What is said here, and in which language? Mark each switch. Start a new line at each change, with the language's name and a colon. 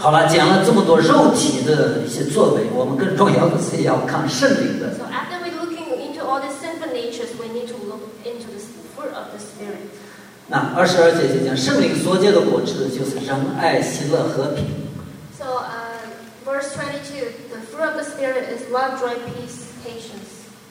Chinese: 好了，讲了这么多肉体的一些作为，我们更重要的是要看圣灵的。
English: So after we looking into all the sinful natures, we need to look into the fruit of the spirit.
Chinese: 那二十二节就讲圣灵所结的果子就是仁爱、喜乐、和平。
English: So verse 22, the fruit of the spirit is love, joy, peace, patience.